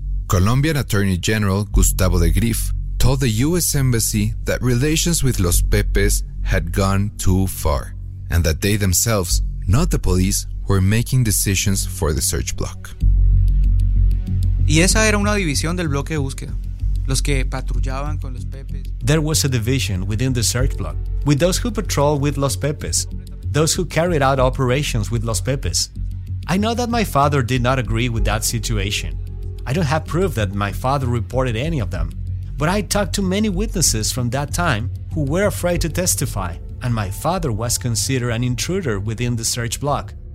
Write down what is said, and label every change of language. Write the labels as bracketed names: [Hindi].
[English] Colombian Attorney General Gustavo de Grief told the U.S. Embassy that relations with Los Pepes had gone too far, and that they themselves, not the police, were making decisions for the search bloc. [Spanish] Y esa era una división del bloque de búsqueda. Los que patrullaban con los Pepes. [English] There was a division within the search bloc, with those who patrol with Los Pepes, those who carried out operations with Los Pepes. I know that my father did not agree with that situation. I don't have proof that my father reported any of them, but I talked to many witnesses from that time who were afraid to testify, and my father was considered an intruder within the search bloc.